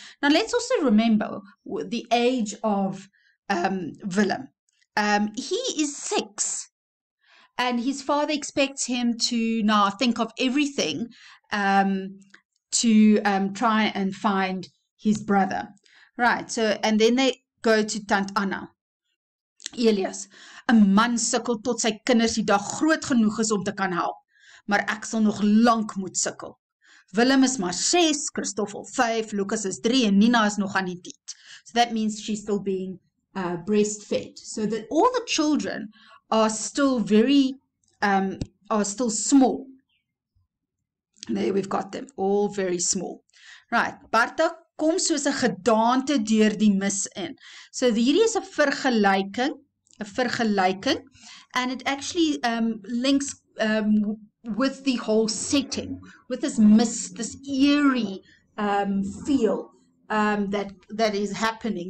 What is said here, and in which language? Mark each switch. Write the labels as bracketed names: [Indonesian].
[English] Now, let's also remember the age of Willem. He is 6. And his father expects him to now think of everything to try and find his brother. Right, so, and then they go to tant Anna. [Afrikaans] Elias, 'n man sukkel tot sy kinders die dag groot genoeg is om te kan help. Maar ek sal nog lank moet sukkel. Willem is maar 6, Christoffel 5, Lucas is 3 en Nina is nog aan die diet. [English] So that means she's still being breastfed. So that all the children are still very, are still small. There we've got them, all very small. Right, Bartok [Afrikaans] kom soos 'n gedaante deur die mis in. So hierdie is 'n vergelyking, [English] and it actually links with the whole setting, with this mist, this eerie feel that is happening.